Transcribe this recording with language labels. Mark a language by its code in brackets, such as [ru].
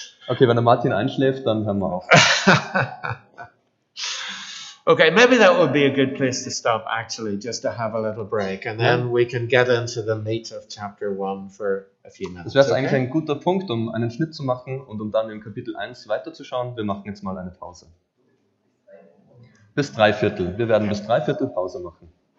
[de] Okay, wenn der Martin einschläft, dann hören wir auf. [en] Okay, maybe that would be a good place to stop, actually, just to have a little break, and then we can get into the meat of chapter 1 for a few minutes. [de] Das wäre eigentlich ein guter Punkt, um einen Schnitt zu machen und um dann in Kapitel 1 weiterzuschauen. Wir machen jetzt mal eine Pause. Bis 3 Viertel. Wir werden bis 3 Viertel Pause machen.